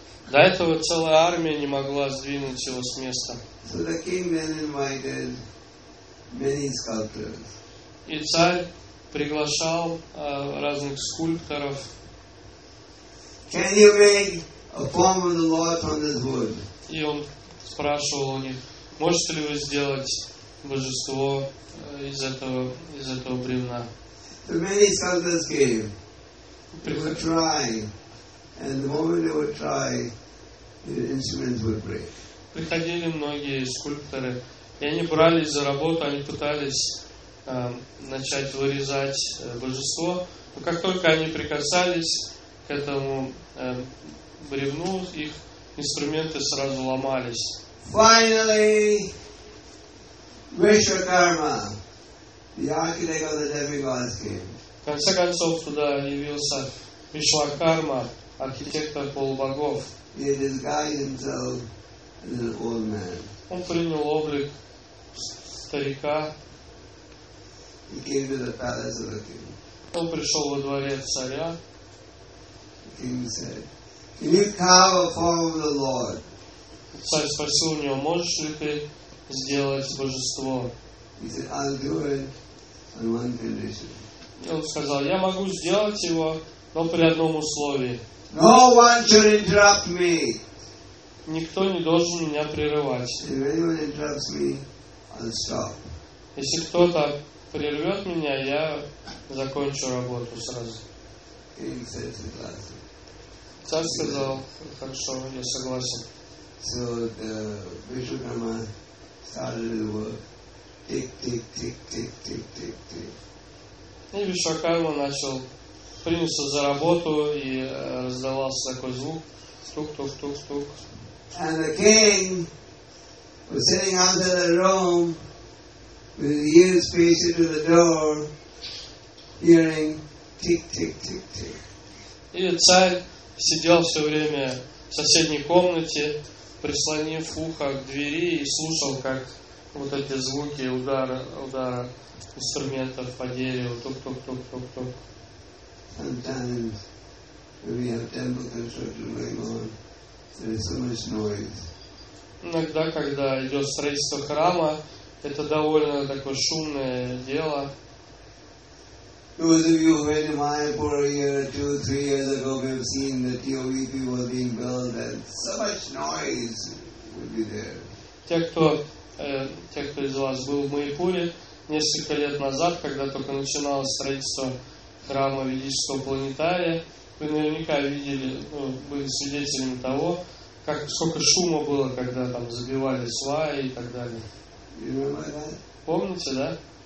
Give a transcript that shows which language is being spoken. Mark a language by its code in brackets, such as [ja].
[ru] До этого целая армия не могла сдвинуть его с места. [en] So the king then invited many sculptors. [ru] И царь приглашал разных скульпторов. [en] Can you make a form of the Lord from this wood? [ru] И он спрашивал у них, можете ли вы сделать божество из этого бревна? [en] So many sculptors came. They would try, and the moment they would try, the instruments would break. [ru] Приходили многие скульпторы, и они брались за работу, они пытались начать вырезать божество, но как только они прикасались к этому бревну, их инструменты сразу ломались. [en] Finally, Vishwakarma, the architect of the demigods came. [ru] В конце концов, туда явился Вишвакарма, архитектор полубогов. [en] He disguised himself as an old man. [ru] Он принял облик старика. [en] He came to the palace of the king. [ru] Он пришел во дворец царя. [en] The king said, "Can you carve a form of the Lord?" [ru] Царь спросил у него, можешь ли ты сделать божество? [en] He said, "I'll do it on one condition." [ru] И он сказал, я могу сделать его, но при одном условии. [en] No one should interrupt me. [ru] Никто не должен меня прерывать. [en] If anyone interrupts me, I'll stop. [ru] Если кто-то прервет меня, я закончу работу сразу. Царь сказал, хорошо, я согласен. [en] So the Vishwakarma started the work. Tick, tick, tick, tick, tick, tick, tick. [ru] И Вишвакарма начал принялся за работу и раздавался такой звук стук тук тук тук. [en] And the king was sitting out in the room with his ears facing to the door, hearing tick tick tick tick. [ru] И царь сидел все время в соседней комнате, прислонив ухо к двери и слушал, как вот эти звуки удара инструментов по дереву, тук-тук-тук-тук-тук. [en] Sometimes when we have temple construction going on, there is so much noise. [ru] Иногда, когда идет строительство храма, это довольно такое шумное дело. [en] Those of you who went to Mayapur a year or two, 3 years ago, we have seen the TOVP was being built, and so much noise would be there. [ru] Те, кто из вас был в Майпуре несколько лет назад, когда только начиналось строительство храма Ведического планетария, вы наверняка видели, были свидетелями того, как сколько шума было, когда там забивали сваи и так далее. Помните, да?